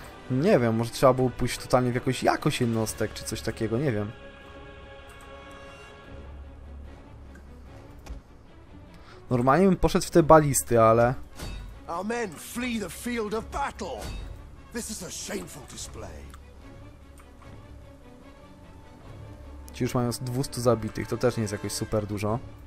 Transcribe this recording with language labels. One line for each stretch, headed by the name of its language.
Polish: Nie wiem, może trzeba było pójść totalnie w jakąś jednostek czy coś takiego, nie wiem. Normalnie bym poszedł w te balisty, ale...
English: Our men flee the field of battle. This is a shameful display.
Polish: Ci już mają 200 zabitych, to też nie jest jakoś super dużo.